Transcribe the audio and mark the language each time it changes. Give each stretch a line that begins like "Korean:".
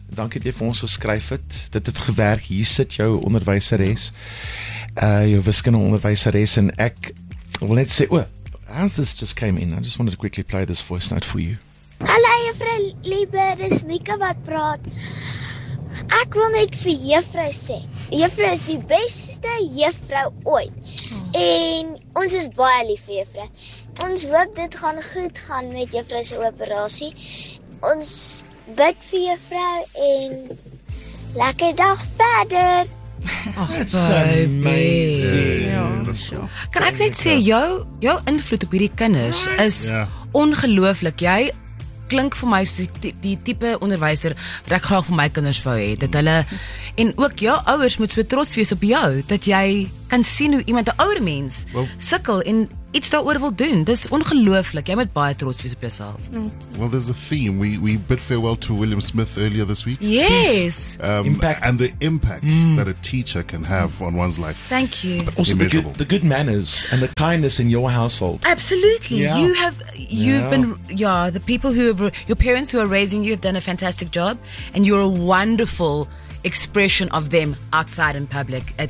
Afrikaans: Dankie dat jy vir ons geskryf het. Dit het gewerk. Hier sit jou onderwyseres. Jou wiskunde onderwyseres en ek wil net sê,
English: as this just came in, I just wanted to quickly play this voice note for you.
Afrikaans: Hallo juffrou Liebe, dis Mieke wat praat. Ek wil net vir juffrou sê, juffrou is die beste juffrou ooit. En ons is baie lief vir juffrou. Ons hoop dit gaan goed gaan met juffrou se operasie. Ons bid vir juffrou en lekker dag verder.
English: That's amazing.
Afrikaans: Kan ek net sê, jou invloed op hierdie kinders is ongelooflik. Jy klink vir my soos die type onderwyser wat ek graag vir my kinders wou hê. Dat hulle, en ook jou ouers moet so trots wees op jou, dat jy kan sien hoe iemand, 'n ouer mens, sukkel en iets daaroor wil doen. Dis ongelooflik. Jy moet baie trots wees op jouself.
English: Well, there's a theme. We bid farewell to William Smith earlier this week. Yes. Impact. And the impact that a teacher can have on one's life. Thank you. But also the good manners and the kindness in your household. Absolutely. Yeah. You've been the people who have, your parents who are raising you have done a fantastic job, and you're a wonderful expression of them outside in public.